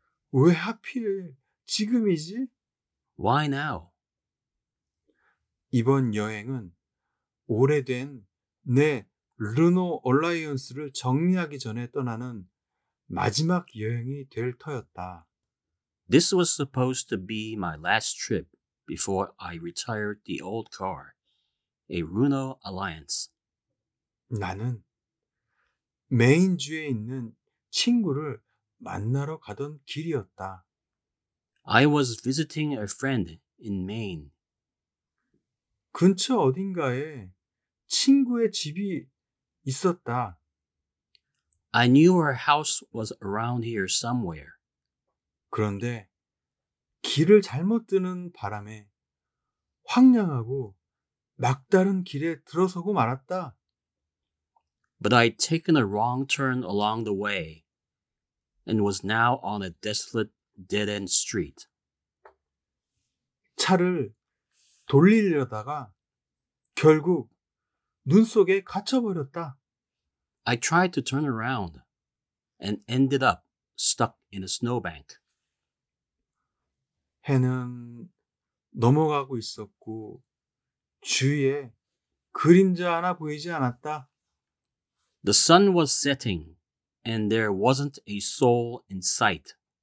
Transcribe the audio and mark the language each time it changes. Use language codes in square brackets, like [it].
[ko] 왜 하필 지금이지? [en] Why now? [ko] 이번 여행은 오래된 내 르노 얼라이언스를 정리하기 전에 떠나는 마지막 여행이 될 터였다. [en] This was supposed to be my last trip before I retired the old car, a Renault Alliance. [ko] 나는 메인주에 있는 친구를 만나러 가던 길이었다. [en] I was visiting a friend in Maine. [ko] 근처 어딘가에 친구의 집이 있었다. [en] I knew her house was around here somewhere. [ko] 그런데 길을 잘못 드는 바람에 황량하고 막다른 길에 들어서고 말았다. [en] But I'd taken a wrong turn along the way and was now on a desolate dead-end street. [ko] 차를 돌리려다가 결국 눈 속에 갇혀버렸다. [en] I tried to turn around and ended up stuck in a snowbank. [ko] 해는 넘어가고 있었고 주위에 그림자 하나 보이지 않았다. [en] The sun was setting and there wasn't a soul in sight.